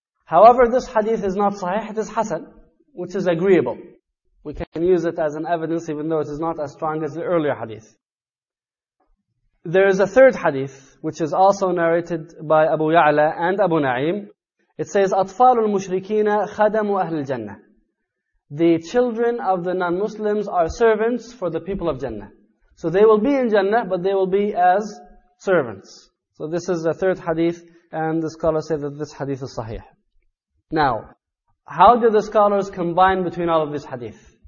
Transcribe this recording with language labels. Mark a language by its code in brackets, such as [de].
[en] However, this hadith is not sahih, it is hasan, which is agreeable. We can use it as an evidence even though it is not as strong as the earlier hadith. There is a third hadith, which is also narrated by Abu Ya'la and Abu Na'im. It says, [ar] أَطْفَالُ الْمُشْرِكِينَ خَدَمُوا أَهْلِ الْجَنَّةِ. [en] The children of the non-Muslims are servants for the people of Jannah. So they will be in Jannah, but they will be as servants. So this is the third hadith, and the scholars say that this hadith is sahih. Now, how do the scholars combine between all of these hadith?